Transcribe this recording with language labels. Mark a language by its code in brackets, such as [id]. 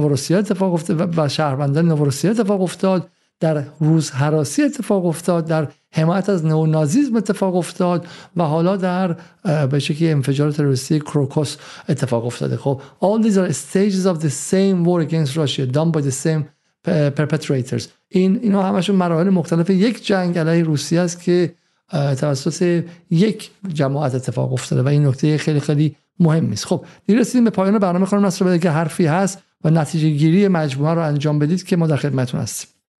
[fa] اتفاق افتاد و شهروندان نوروسیا اتفاق افتاد، در روز هراسی اتفاق افتاد، در حمایت از نئونازیسم اتفاق افتاد و حالا در به شکلی انفجار تروریستی کروکوس اتفاق افتاده. خب [en] all these are stages of the same war against Russia done by the same perpetrators. [fa] اینا همشون مراحل مختلف یک جنگ علیه روسیه است که توسط یک جماعت اتفاق افتاده و این نکته خیلی خیلی مهمی است. خب رسیدیم به پایان برنامه، خانم نصر بده که حرفی هست و نتیجه گیری مجموعه رو انجام بدید که ما در خدمتتون هستیم.